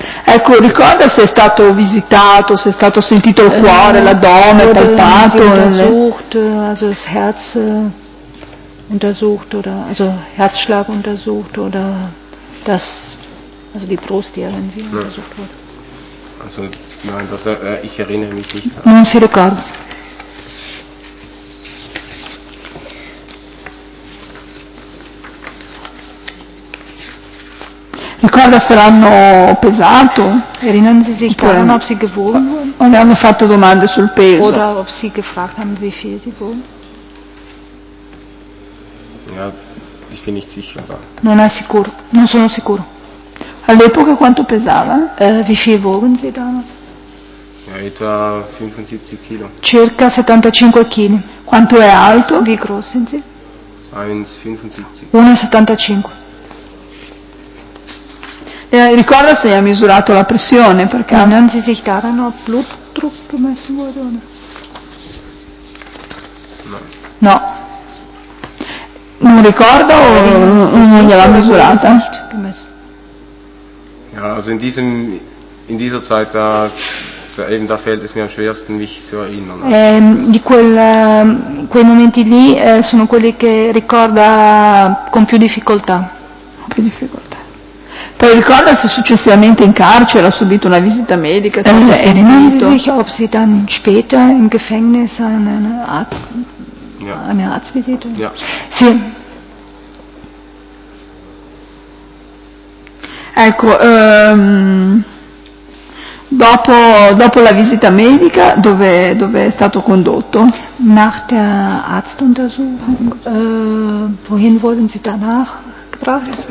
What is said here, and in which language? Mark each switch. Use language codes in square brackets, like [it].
[it] Ecco, ricorda se è stato visitato, se è stato sentito il cuore, la donna, palpato. [de] Untersucht, also das Herz untersucht oder also Herzschlag untersucht oder das Also die Brust irgendwie. Nein. Oder so. Also nein, das, ich erinnere mich nicht daran. [it] Non si ricorda. Ricorda se l'hanno pesato? [de] Erinnern Sie sich daran, ob sie gewogen wurden? Und [it] hanno fatto domande sul peso. [de] Oder ob sie gefragt haben, wie viel sie wogen? Ja, ich bin nicht sicher da. [it] Non è sicuro. Non sono sicuro. All'epoca quanto pesava? [de] Wie viel wogen Sie damals? Ja, etwa 75 Kilo. [it] Circa 75 Kilo. Quanto è alto? [de] Wie groß sind Sie? 1,75. [it] 1,75. Ricorda se ha misurato la pressione, perché non si sicura no [de] Blutdruck gemessen wurde. [it] No. No. Non ricorda o non gliel'ha misurata? [de] Ja, also in dieser Zeit da, da eben da fällt es mir am schwersten mich zu erinnern. [it] Di quel quei momenti lì sono quelli che ricorda con più difficoltà. Con più difficoltà. Poi ricorda se successivamente in carcere ha subito una visita medica, se [de] erinnern Sie sich, ob sie dann später im Gefängnis eine Arztvisite? Ja. [it] Sì. Ecco, dopo la visita medica, dove è stato condotto? [de] Nach der Arztuntersuchung, wohin wurden Sie danach gebracht?